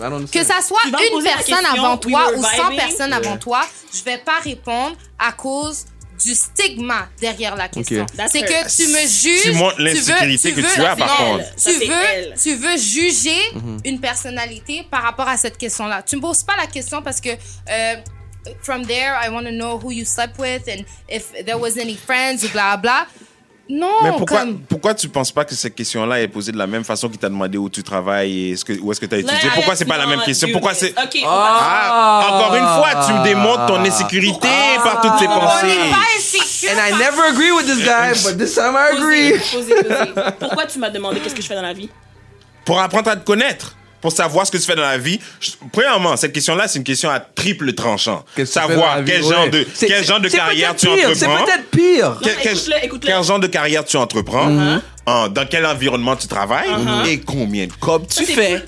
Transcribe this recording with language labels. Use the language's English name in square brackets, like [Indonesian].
[French] Que ça soit une personne avant toi ou 100 personnes avant toi, je ne vais pas répondre à cause... du stigma derrière la question. Okay. C'est que tu me juges... Tu montres l'insécurité que tu as, par contre. Tu veux juger une personnalité par rapport à cette question-là. Tu ne me poses pas la question parce que... [English] from there, I want to know who you slept with and if there was any friends, blah, blah. [French] Non, mais pourquoi tu ne penses pas que cette question-là est posée de la même façon qu'il t'a demandé où tu travailles et où est-ce que tu as étudié? Pourquoi ce n'est pas la même question? Pourquoi c'est... Encore une fois, tu me démontres ton insécurité par toutes tes pensées. [English] And I never agree with this guy, but this time I agree. [French] Pourquoi tu m'as demandé qu'est-ce que je fais dans la vie? Pour apprendre à te connaître. Pour savoir ce que tu fais dans la vie, premièrement, cette question-là, c'est une question à triple tranchant. Savoir quel genre de carrière tu entreprends. C'est peut-être pire. Quel genre de carrière tu entreprends, dans quel environnement tu travailles et combien de copes tu fais.